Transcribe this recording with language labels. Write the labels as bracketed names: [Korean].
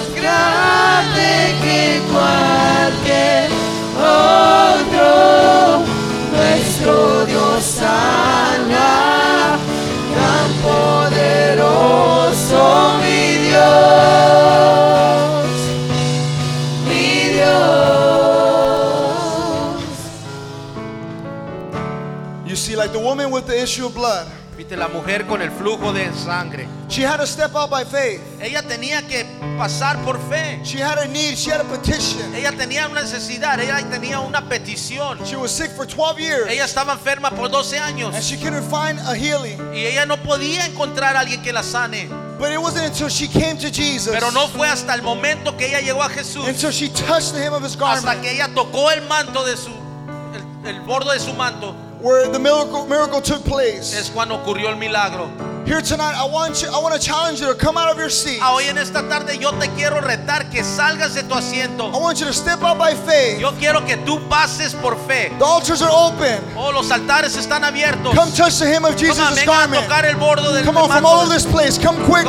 [Spanish] Grande que cualquier otro, nuestro Dios sana, tan poderoso mi Dios, mi Dios. [English] You see, like the woman with the issue of blood. [Spanish] La mujer con el flujo de sangre. [English] She had to step out by faith. [Spanish] Ella tenía que pasar por fe. [English] She had a need. She had a petition. [Spanish] Ella tenía una necesidad. Ella tenía una petición. [English] She was sick for 12 years. [Spanish] Ella estaba enferma por 12 años. [English] And she couldn't find a healing. [Spanish] Y ella no podía encontrar a alguien que la sane. [English] But it wasn't until she came to Jesus. [Spanish] Pero no fue hasta el momento que ella llegó a Jesús. [English] Until she touched the hem of his garment. [Spanish] Hasta que ella tocó el manto de su el borde de su manto. [English] Where the miracle took place. [Spanish] Es cuando ocurrió el milagro. [English] Here tonight, I want to challenge you to come out of your seat. [Spanish] Hoy en esta tarde yo te quiero retar que salgas de tu asiento. [English] I want you to step out by faith. [Spanish] Yo quiero que tú pases por fe. [English] The altars are open. [Spanish] Oh, los altares están abiertos. [English] Come touch the hem of Jesus' garment. Come on, [Spanish] venga a tocar el borde del manto. [English] Come on, from all of this place, come quickly.